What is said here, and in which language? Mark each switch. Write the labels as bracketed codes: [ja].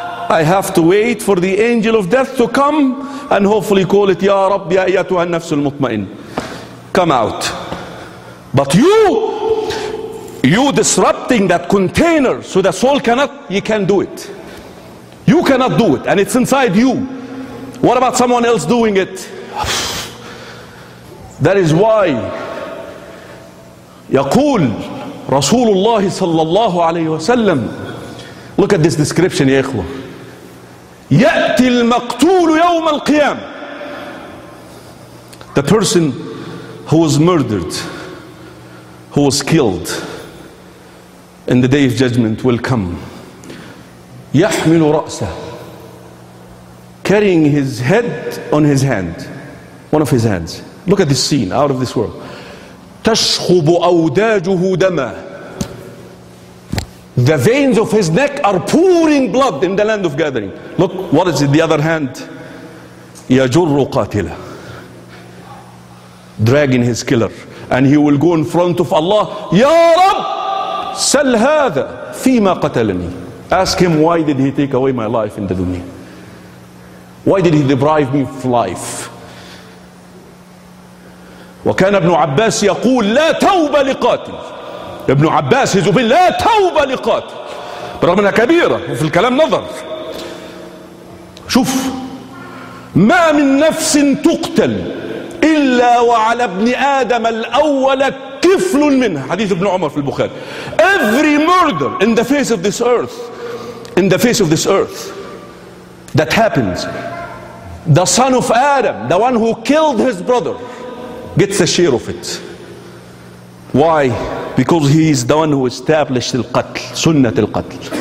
[en] I have to wait for the angel of death to come and hopefully call it, Ya Rabbi, Ya Ayatuha Nafs Al Mutmain. Come out. But you disrupting that container so the soul cannot, you can't do it. You cannot do it, and it's inside you. What about someone else doing it? That is why [ar] يقول رسول الله صلى الله عليه وسلم. [en] Look at this description, [ar] يا إخوة. يأتي المقتول يوم القيامة. [en] The person who was murdered, who was killed in the day of judgment will come. [ar] يحمل رأسه. [en] Carrying his head on his hand. One of his hands. Look at this scene, out of this world. [ar] تشخب أوداجه دما. [en] The veins of his neck are pouring blood in the land of gathering. Look, what is it? The other hand, [ar] يجر قاتلة. [en] Dragging his killer. And he will go in front of Allah. [ar] يا رب سل هذا فيما قتلني. [en] Ask him, why did he take away my life in the dunya? Why did he deprive me of life? [ar] وكان ابن عباس يقول لا توبة لقاتل. ابن عباس يقول لا توبة لقاتل. برغم أنها كبيرة وفي الكلام نظر. شوف, ما من نفس تقتل إلا وعلى ابن آدم الأول كفل منها. حديث ابن عمر في البخاري. [en] Every murder in the face of this earth, in the face of this earth that happens, the son of Adam, the one who killed his brother, gets a share of it. Why? Because he is the one who established the qatl, sunnah al qatl.